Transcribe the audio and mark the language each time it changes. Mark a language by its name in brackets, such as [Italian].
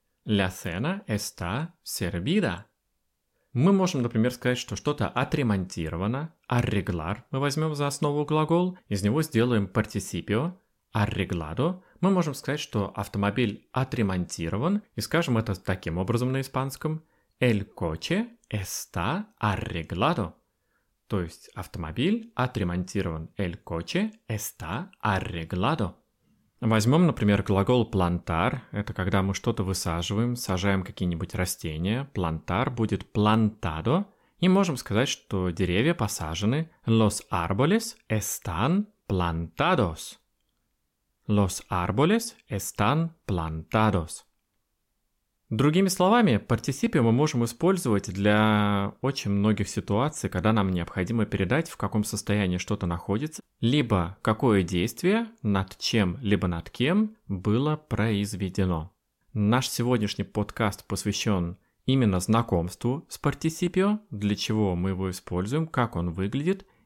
[Spanish] La cena está servida. [Russian] Мы можем, например, сказать, что что-то отремонтировано. Arreglar мы возьмем за основу глагол. Из него сделаем participio. [Spanish] Arreglado. [Russian] Мы можем сказать, что автомобиль отремонтирован. И скажем это таким образом на испанском. [Spanish] El coche está arreglado. [Russian] То есть автомобиль отремонтирован. [Spanish] El coche está arreglado. [Russian] Возьмем, например, глагол plantar. Это когда мы что-то высаживаем, сажаем какие-нибудь растения. [Spanish] Plantar [Russian] будет [Spanish] plantado. [Russian] И можем сказать, что деревья посажены. [Spanish] Los árboles están plantados. Los árboles están plantados. [Russian] Другими словами, participio мы можем использовать для очень многих ситуаций, когда нам необходимо передать, в каком состоянии что-то находится, либо какое действие над чем, либо над кем было произведено. Наш сегодняшний подкаст посвящен именно знакомству с participio, для чего мы его используем, как он выглядит.